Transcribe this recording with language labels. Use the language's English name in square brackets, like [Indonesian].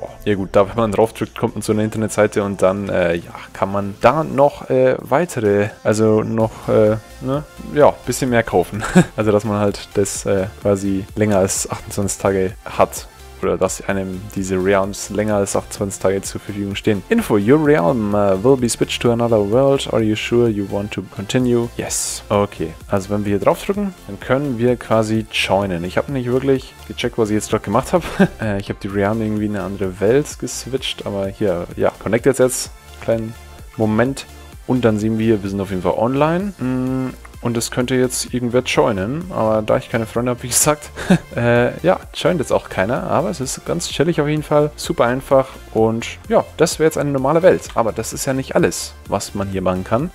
[German] Ja gut, da wenn man drauf drückt, kommt man zu einer Internetseite und dann ja, kann man da noch weitere, also noch, ne, ja, ein bisschen mehr kaufen. Also dass man halt das quasi länger als 28 Tage hat. Oder dass einem diese Realms länger als 28 Tage zur Verfügung stehen. [English] Info, your realm will be switched to another world. Are you sure you want to continue? Yes. Okay. [German] Also wenn wir hier drauf drücken, dann können wir quasi joinen. Ich habe nicht wirklich gecheckt, was ich jetzt gerade gemacht habe. ich habe die Realm irgendwie in eine andere Welt geswitcht. Aber hier, ja, connect jetzt. Kleinen Moment. Und dann sehen wir, wir sind auf jeden Fall online. Und es könnte jetzt irgendwer joinen, aber da ich keine Freunde habe, wie gesagt, ja, joint jetzt auch keiner, aber es ist ganz chillig auf jeden Fall, super einfach und ja, das wäre jetzt eine normale Welt, aber das ist ja nicht alles, was man hier machen kann.